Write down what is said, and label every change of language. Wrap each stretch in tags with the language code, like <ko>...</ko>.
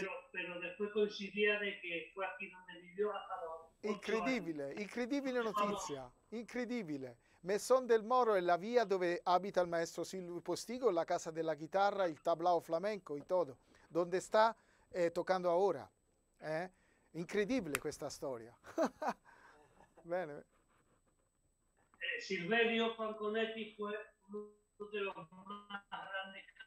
<es>Pero después coincidía de que fue aquí donde vivió hasta los</es> <it>incredibile años. Incredibile notizia, incredibile. Mesón del Moro è la via dove abita il maestro Silvio Postigo, la casa della chitarra, il tablao flamenco,</it> <es>il todo, donde</es> <it>sta toccando ora. Incredibile questa storia. Bene.</it> <es>Silverio Franconetti fu uno de los más grandes.</es>